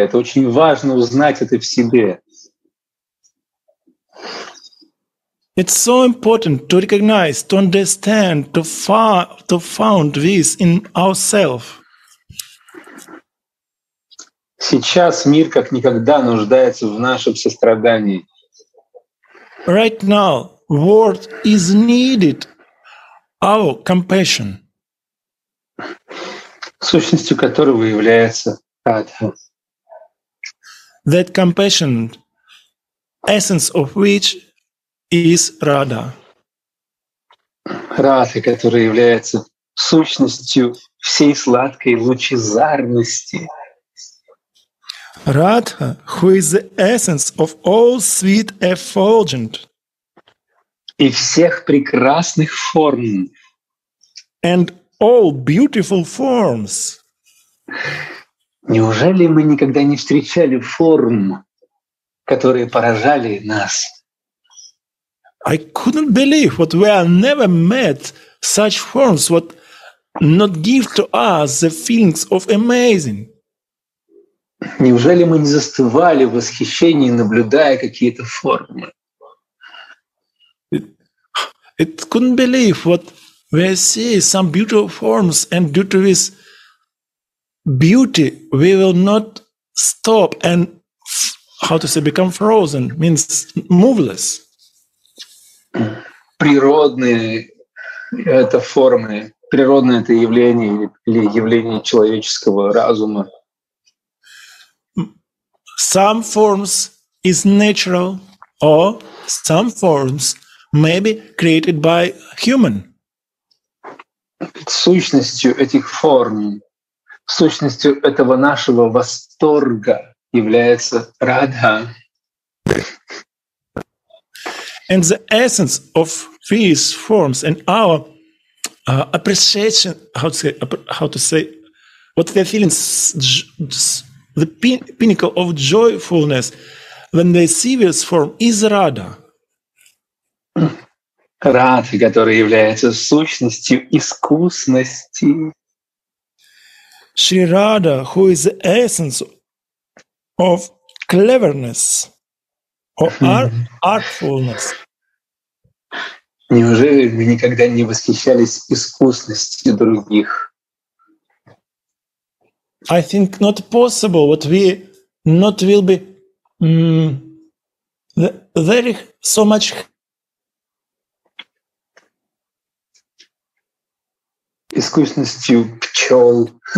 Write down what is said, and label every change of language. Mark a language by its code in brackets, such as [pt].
[ru] Это очень важно, узнать это в себе. [en] It's so important to recognize, to understand, to found this in ourselves. [ru] Сейчас мир как никогда нуждается в нашем сострадании. [en] Right now, world is needed our compassion. [ru] Сущностью которого является Радха. [en] That compassion, essence of which is Radha. [ru] Радха, которая является сущностью всей сладкой лучезарности. [en] Radha, who is the essence of all sweet effulgent, [ru] и всех прекрасных форм, [en] and all beautiful forms. [ru] Неужели мы никогда не встречали форм, которые поражали нас? [en] I couldn't believe what we have never met such forms, what not give to us the feelings of amazing. [ru] Неужели мы не застывали в восхищении, наблюдая какие-то формы? [en] It couldn't believe what we see, some beautiful forms, and due to this beauty, we will not stop and, how to say, become frozen, means moveless. [ru] Природные это формы, природное это явление или явление человеческого разума. [en] Some forms is natural, or some forms may be created by human. [ru] Сущностью этих форм, сущностью этого нашего восторга является Радха. [en] And the essence of these forms and our appreciation, how to say, what we are feeling. The pinnacle of joyfulness when they see this form is Radha. [ru] Радха, которая является сущностью искусности. [en] Shri Radha, who is the essence of cleverness or artfulness. [ru] Неужели мы никогда не восхищались искусностью других? [en] I think not possible what we not will be very so much. [ru] Искусностью пчёл.